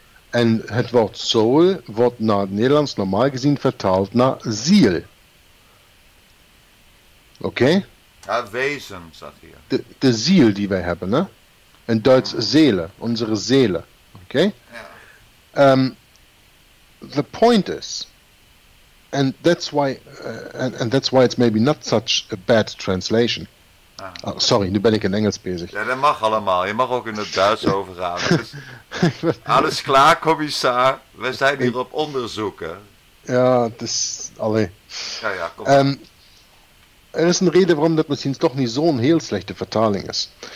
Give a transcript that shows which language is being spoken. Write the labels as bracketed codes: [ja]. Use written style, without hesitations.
[nl] En het woord soul wordt naar het Nederlands normaal gezien vertaald naar ziel. Oké? Okay? Ja, wezen staat hier. De ziel die wij hebben, ne? In Duits zelen, onze zelen. Oké? Ja. [en] The point is, and that's why it's maybe not such a bad translation. [nl] Oh, sorry, nu ben ik in Engels bezig. Ja, dat mag allemaal. Je mag ook in het Duits overgaan. Alles klaar, commissar. We zijn hier op onderzoek. Ja, het is... Allee. Ja, kom. Er is een reden waarom dat misschien toch niet zo'n heel slechte vertaling is.